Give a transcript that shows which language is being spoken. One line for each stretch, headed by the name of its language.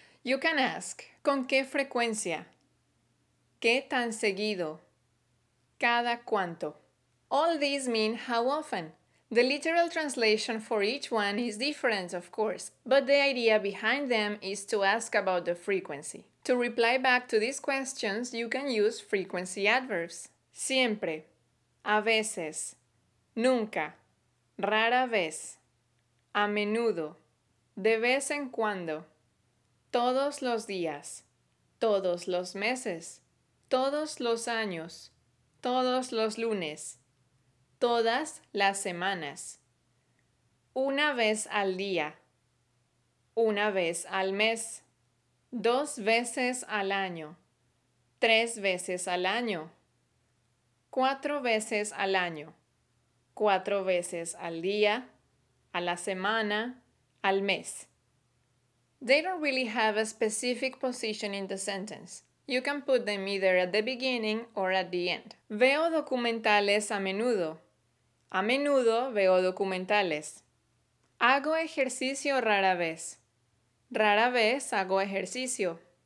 English: You can ask,
Spanish: ¿con qué frecuencia? ¿Qué tan seguido? ¿Cada cuánto?
English: All these mean how often. The literal translation for each one is different, of course, but the idea behind them is to ask about the frequency. To reply back to these questions, you can use frequency adverbs.
Spanish: Siempre, a veces, nunca, rara vez, a menudo, de vez en cuando, todos los días, todos los meses, todos los años, todos los lunes, todas las semanas, una vez al día, una vez al mes, dos veces al año, tres veces al año, cuatro veces al año, cuatro veces al día, a la semana, al mes.
English: They don't really have a specific position in the sentence. You can put them either at the beginning or at the end.
Spanish: Veo documentales a menudo. A menudo veo documentales. Hago ejercicio rara vez. Rara vez hago ejercicio.